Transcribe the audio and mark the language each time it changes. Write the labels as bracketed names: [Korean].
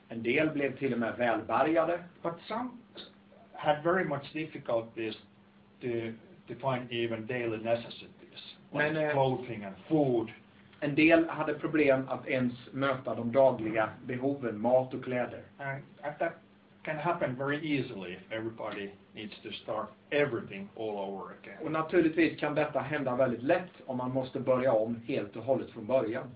[Swedish] En del blev till och med välbärgade. [English] But some had very much difficulties to find even daily necessities. Like clothing and food. [Swedish] En del hade problem att ens möta de dagliga behoven, mat och kläder. [English] And that can happen very easily if everybody needs to start everything all over again. [Swedish] Och naturligtvis kan detta hända väldigt lätt om man måste börja om helt och hållet från början.